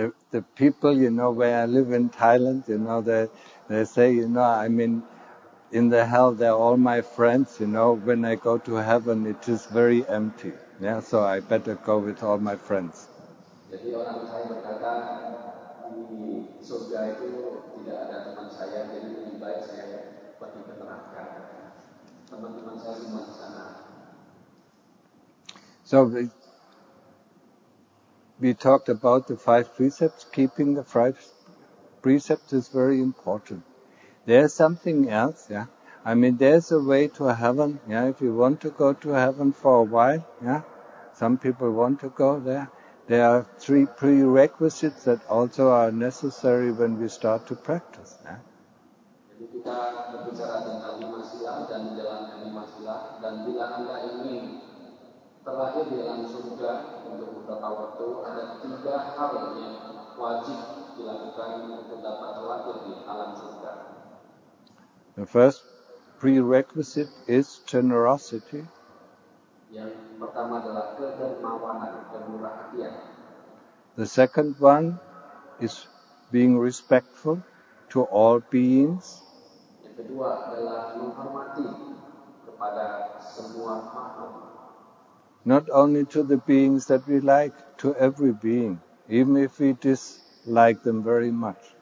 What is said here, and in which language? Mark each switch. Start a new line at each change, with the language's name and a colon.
English: The people, you know, where I live in Thailand, you know, they say, you know, I mean, in the hell, they're all my friends, you know. When I go to heaven, it is very empty. Yeah, so I better go with all my friends.
Indonesian: Jadi orang Thai berkata di surga itu tidak ada teman saya, jadi lebih baik saya pergi ke neraka. Teman-teman saya semua di sana.
English: So we talked about the five precepts. Keeping the five precepts is very important. There's something else, yeah. I mean, there's a way to heaven, yeah. If you want to go to heaven for a while, yeah. Some people want to go there. There are three prerequisites that also are necessary when we start to practice. Yeah?
Indonesian: Jadi kita berbicara tentang lima sila dan menjalankan lima sila. Dan bila Anda ingin terlahir di alam surga untuk beberapa waktu, ada tiga hal yang wajib dilakukan untuk dapat terlahir di alam surga.
English: The first prerequisite is generosity.
Indonesian: Yang pertama adalah kedermawanan, kemurahan hati.
English: The second one is being respectful to all beings.
Indonesian: Yang kedua adalah menghormati kepada semua makhluk.
English: Not only to the beings that we like, to every being, even if we dislike them very much.